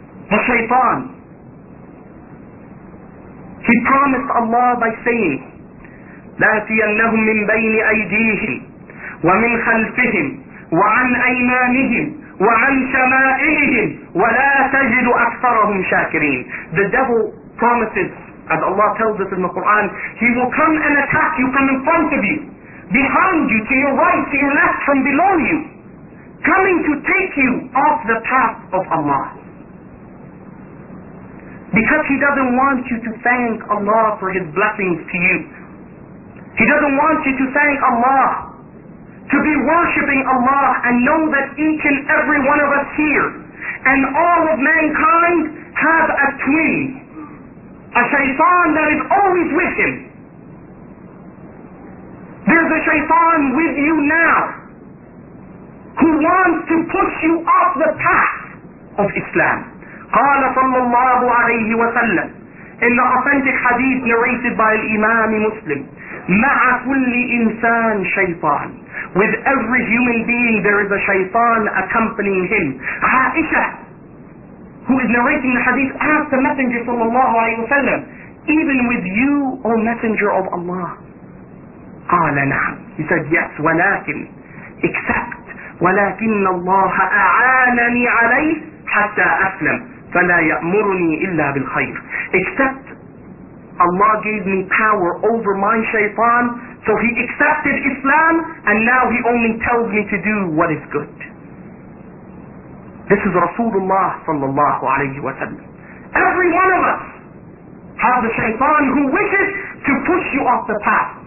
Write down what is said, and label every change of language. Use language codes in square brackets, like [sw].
[en] The shaytan, he promised Allah by saying, [ar] لَأْتِيَنَّهُمْ مِنْ بَيْنِ أَيْدِيهِمْ وَمِنْ خَلْفِهِمْ وَعَنْ أَيْمَانِهِمْ وَعَنْ شَمَائِلِهِمْ وَلَا تَجِدُ أَكْثَرَهُمْ شَاكِرِينَ. [en] The devil promises, as Allah tells us in the Quran, he will come and attack you from in front of you, behind you, to your right, to your left, from below you, coming to take you off the path of Allah. Because he doesn't want you to thank Allah for his blessings to you. He doesn't want you to thank Allah, to be worshipping Allah, and know that each and every one of us here and all of mankind have a twin, a shaytan that is always with him. There's a shaytan with you now who wants to push you off the path of Islam. [ar] قال صلى الله عليه وسلم [en] in the authentic hadith narrated by Imam Muslim, [ar] مع كل إنسان شيطان. [en] With every human being there is a shaytan accompanying him. Aisha, who is narrating the hadith, asked the Messenger صلى الله عليه وسلم, even with you, O Messenger of Allah? [ar] قال نعم. [en] He said yes, [ar] ولكن, [en] except, [ar] ولكن الله أعانني عليه حتى أسلم فلا يأمرني إلا بالخير. [en] Except Allah gave me power over my shaytan, so he accepted Islam and now he only tells me to do what is good. This is Rasulullah sallallahu alayhi wa sallam. Every one of us has the shaytan who wishes to push you off the path.